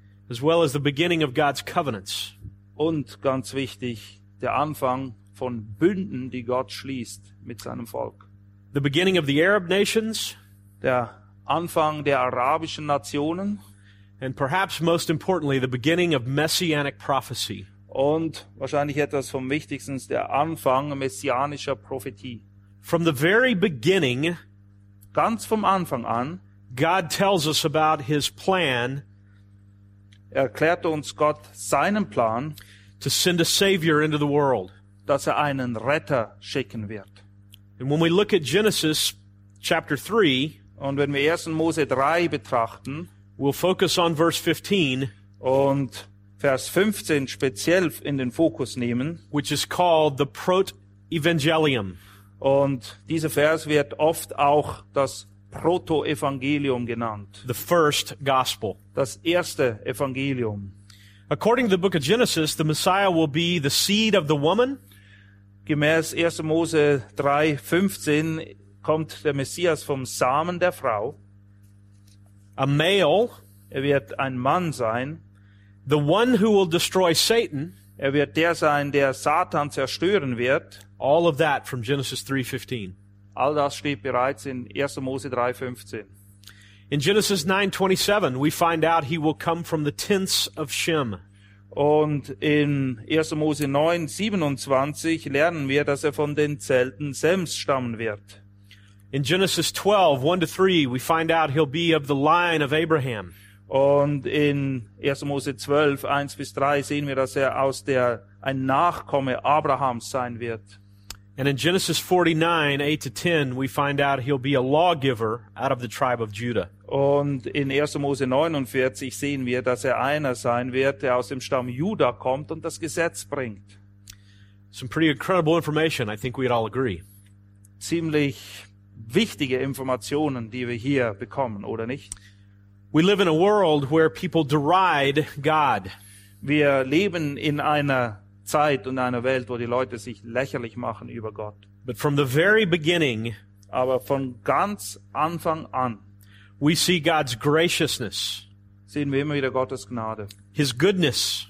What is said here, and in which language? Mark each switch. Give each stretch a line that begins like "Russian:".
English: As well as the beginning of God's covenants.
German: Und ganz wichtig, der Anfang von Bünden, die Gott schließt mit seinem Volk.
English: The beginning of the Arab nations.
German: Der Anfang der arabischen Nationen.
English: And perhaps most importantly, the beginning of messianic prophecy.
German: Und wahrscheinlich etwas vom Wichtigsten, der Anfang messianischer Prophetie.
English: From the very beginning,
German: ganz vom Anfang an,
English: God tells us about his plan,
German: erklärte uns Gott seinen Plan,
English: to send a savior into the world,
German: dass er einen Retter schicken wird.
English: And when we look at Genesis chapter 3,
German: und wenn wir 1. Mose 3 betrachten,
English: we'll focus on verse 15
German: und Vers 15 speziell in den Fokus nehmen,
English: which is called the Protoevangelium.
German: Und dieser Vers wird oft auch das Protoevangelium genannt.
English: The first gospel.
German: Das erste Evangelium.
English: According to the book of Genesis, the Messiah will be the seed of the woman.
German: Gemäß 1. Mose 3, 15 kommt der Messias vom Samen der Frau.
English: A male.
German: Er wird ein Mann sein.
English: The one who will destroy Satan.
German: Er wird der sein, der Satan zerstören wird.
English: All of that from Genesis 3, 15.
German: All das steht bereits in 1. Mose 3, 15.
English: In Genesis 9, 27, we find out he will come from the tents of Shem.
German: Und in 1. Mose 9, 27 lernen wir, dass er von den Zelten Sems stammen wird.
English: In Genesis 12, 1-3, we find out he'll be of the line of Abraham.
German: Und in 1. Mose 12, 1-3 sehen wir, dass er aus der ein Nachkomme Abrahams sein wird.
English: And in Genesis 49, 8-10, we find out he'll be a lawgiver out of the tribe of Judah.
German: Und in 1. Mose 49 sehen wir, dass er einer sein wird, der aus dem Stamm Judah kommt und das Gesetz bringt.
English: Some pretty incredible information, I think we'd all agree.
German: Ziemlich wichtige Informationen, die wir hier bekommen, oder nicht?
English: We live in a world where people deride God.
German: Wir leben in einer Zeit und einer Welt, wo die Leute sich lächerlich machen über Gott.
English: But from the very beginning,
German: aber von ganz Anfang an,
English: we see God's graciousness,
German: sehen wir immer wieder Gottes Gnade,
English: his goodness,